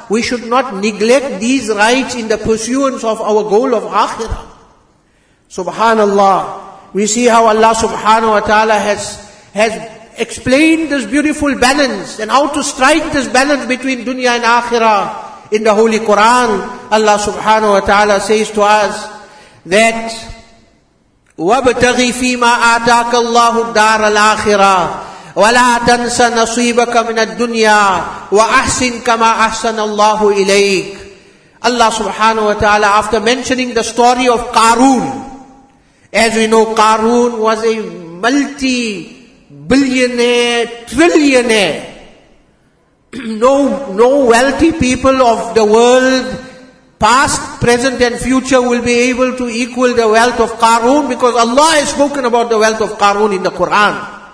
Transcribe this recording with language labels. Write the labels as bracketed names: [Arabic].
[English] We should not neglect these rights in the pursuance of our goal of akhirah. Subhanallah. We see how Allah subhanahu wa ta'ala has explained this beautiful balance and how to strike this balance between dunya and akhirah. In the Holy Quran, Allah subhanahu wa ta'ala says to us that [Arabic] وَابْتَغِ فِي مَا آتَاكَ اللَّهُ الدَّارَ الْآخِرَةِ وَلَا تَنْسَ نَصِيبَكَ مِنَ الدُّنْيَا وَأَحْسِنْ كَمَا أَحْسَنَ اللَّهُ إِلَيْكَ. [English] Allah subhanahu wa ta'ala, after mentioning the story of Qarun, as we know, Qarun was a multi-billionaire, trillionaire. No wealthy people of the world, past, present and future, will be able to equal the wealth of Qarun, because Allah has spoken about the wealth of Qarun in the Quran.